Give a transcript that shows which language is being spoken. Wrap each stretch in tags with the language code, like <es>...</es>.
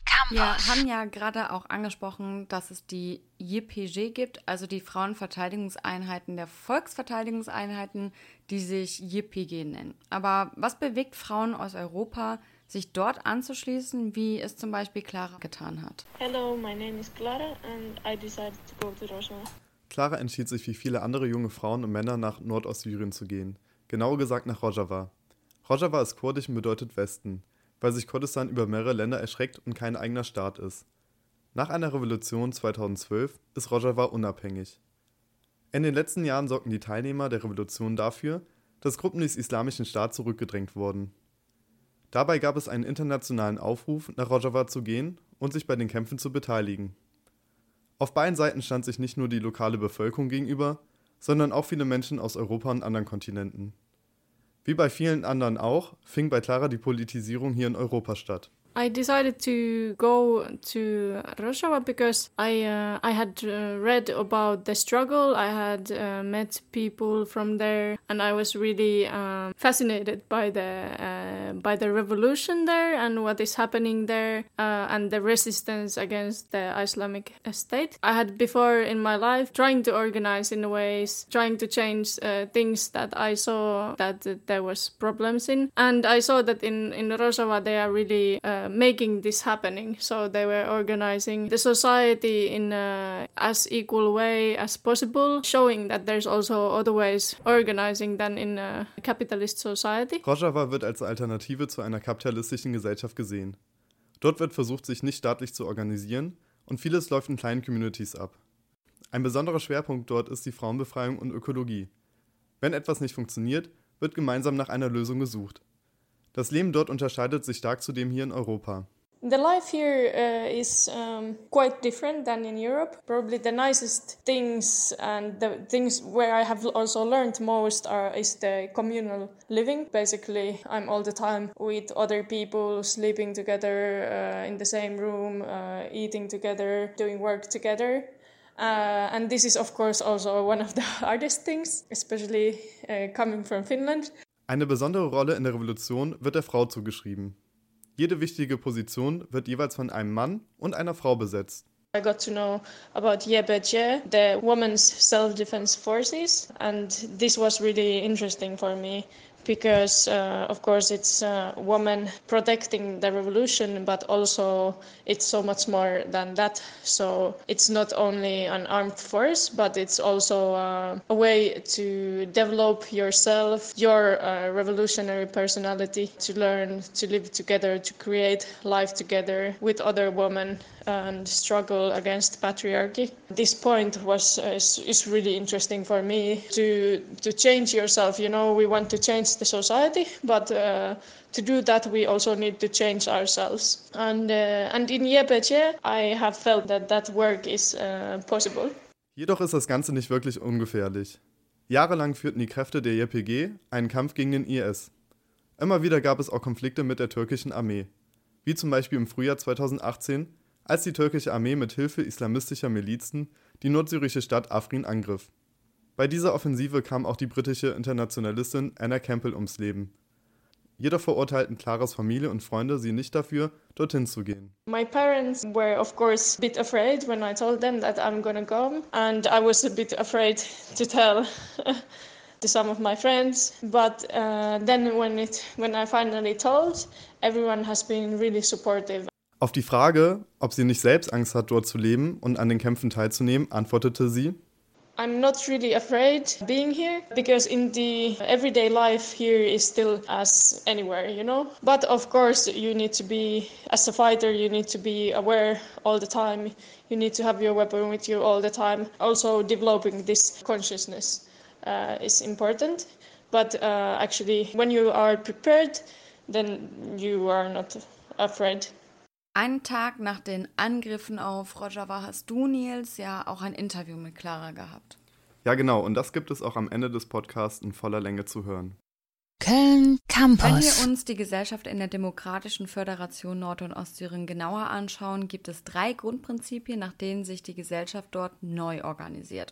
<de>Wir haben ja gerade auch angesprochen, dass es die YPG gibt, also die Frauenverteidigungseinheiten der Volksverteidigungseinheiten, die sich YPG nennen. Aber was bewegt Frauen aus Europa, sich dort anzuschließen, wie es zum Beispiel Clara getan hat?</de> <en>Hello, my name is Clara and I decided to go to Russia.</en> <de>Clara entschied sich wie viele andere junge Frauen und Männer nach Nordostsyrien zu gehen, genauer gesagt nach Rojava. Rojava ist kurdisch und bedeutet Westen, weil sich Kurdistan über mehrere Länder erstreckt und kein eigener Staat ist. Nach einer Revolution 2012 ist Rojava unabhängig. In den letzten Jahren sorgten die Teilnehmer der Revolution dafür, dass Gruppen des Islamischen Staats zurückgedrängt wurden. Dabei gab es einen internationalen Aufruf, nach Rojava zu gehen und sich bei den Kämpfen zu beteiligen. Auf beiden Seiten stand sich nicht nur die lokale Bevölkerung gegenüber, sondern auch viele Menschen aus Europa und anderen Kontinenten. Wie bei vielen anderen auch, fing bei Clara die Politisierung hier in Europa statt.</de> <en>I decided to go to Rojava because I had read about the struggle. I had met people from there and I was really fascinated by the revolution there and what is happening there and the resistance against the Islamic State. I had before in my life trying to organize in ways, trying to change things that I saw that there was problems in, and I saw that in Rojava they are really making this happening. So they were organizing the society in as equal way as possible, showing that there's also other ways organizing than in a capitalist society.</en> <de>Rojava wird als Alternative zu einer kapitalistischen Gesellschaft gesehen. Dort wird versucht, sich nicht staatlich zu organisieren und vieles läuft in kleinen Communities ab. Ein besonderer Schwerpunkt dort ist die Frauenbefreiung und Ökologie. Wenn etwas nicht funktioniert, wird gemeinsam nach einer Lösung gesucht. Das Leben dort unterscheidet sich stark zu dem hier in Europa.</de> <en>The life here is quite different than in Europe. Probably the nicest things and the things where I have also learned most is the communal living. Basically, I'm all the time with other people, sleeping together in the same room, eating together, doing work together. And this is of course also one of the hardest things, especially coming from Finland.</en> <de>Eine besondere Rolle in der Revolution wird der Frau zugeschrieben. Jede wichtige Position wird jeweils von einem Mann und einer Frau besetzt.</de> <en>I got to know about YPG, the Women's Self-Defense Forces, and this was really interesting for me because of course it's a woman protecting the revolution, but also it's so much more than that. So it's not only an armed force, but it's also a way to develop yourself, your revolutionary personality, to learn to live together, to create life together with other women and struggle against patriarchy. This point was is really interesting for me to change yourself. You know, we want to change the society, but to do that we also need to change ourselves. And in YPG I have felt that work is possible.</en> <de>Jedoch ist das Ganze nicht wirklich ungefährlich. Jahrelang führten die Kräfte der YPG einen Kampf gegen den IS. Immer wieder gab es auch Konflikte mit der türkischen Armee, wie zum Beispiel im Frühjahr 2018, als die türkische Armee mit Hilfe islamistischer Milizen die nordsyrische Stadt Afrin angriff. Bei dieser Offensive kam auch die britische Internationalistin Anna Campbell ums Leben. Jedoch verurteilten Claras Familie und Freunde sie nicht dafür, dorthin zu gehen.</de> <en>My parents were of course a bit afraid when I told them that I'm gonna go, and I was a bit afraid to tell to some of my friends, but then when I finally told, everyone has been really supportive.</en> <de>Auf die Frage, ob sie nicht selbst Angst hat, dort zu leben und an den Kämpfen teilzunehmen, antwortete sie:</de> <en>I'm not really afraid being here because in the everyday life here is still as anywhere, you know. But of course, you need to be, as a fighter, you need to be aware all the time. You need to have your weapon with you all the time. Also, developing this consciousness is important. But actually, when you are prepared, then you are not afraid.</en> <de>Einen Tag nach den Angriffen auf Rojava hast du, Nils, ja auch ein Interview mit Clara gehabt. Ja, genau. Und das gibt es auch am Ende des Podcasts in voller Länge zu hören. Köln Campus. Wenn wir uns die Gesellschaft in der Demokratischen Föderation Nord- und Ostsyrien genauer anschauen, gibt es drei Grundprinzipien, nach denen sich die Gesellschaft dort neu organisiert.</de>